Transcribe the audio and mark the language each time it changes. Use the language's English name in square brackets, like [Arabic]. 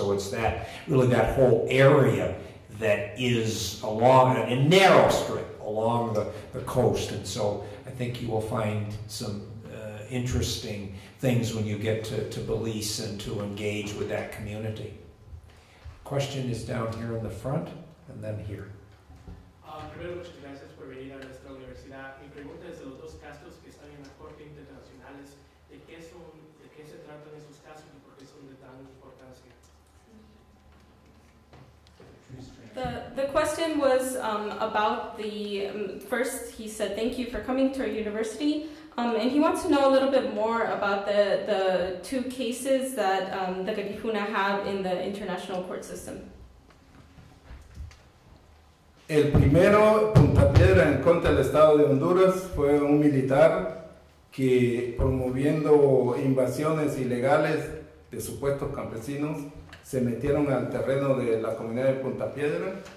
[English] So it's that really that whole area that is along a narrow strip along the coast. And so I think you will find some interesting things when you get to Belize and to engage with that community. Question is down here in the front, and then here. [Spanish] Primero, muchas gracias por venir a nuestra universidad. Mi pregunta es de los dos casos que están en la corte internacionales, de qué se tratan esos casos y por qué son de tan importancia. [English] The question was about the first. He said thank you for coming to our university. And he wants to know a little bit more about the two cases that the Garifuna have in the international court system. [Spanish] El primero puntapiedra en contra del Estado de Honduras fue un militar que promoviendo invasiones ilegales de supuestos campesinos se metieron al terreno de la comunidad de Puntapiedra.